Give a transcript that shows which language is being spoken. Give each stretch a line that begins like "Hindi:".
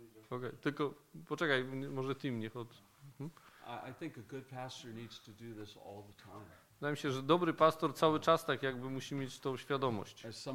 Polish: Okay, tylko poczekaj, może ty mnie chodź.
English: I think a good pastor needs to do this all the time.
Polish: Wydaje mi się, że dobry pastor cały czas tak jakby musi mieć tą świadomość.